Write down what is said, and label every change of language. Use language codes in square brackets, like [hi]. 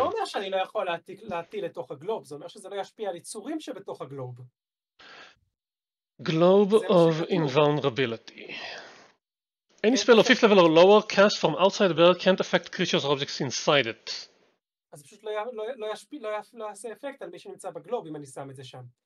[he] זה לא אומר שאני לא יכול להטיל לתוך הגלוב, זה אומר שזה לא ישפיע על יצורים שבתוך הגלוב. [en] Globe of invulnerability. Any spell of 5th level or lower cast from outside the barrel can't affect creatures or objects inside it. [he] אז פשוט לא, לא, לא, לא, ישפיע, לא, לא יעשה אפקט על מי שנמצא בגלוב אם אני שם את זה שם.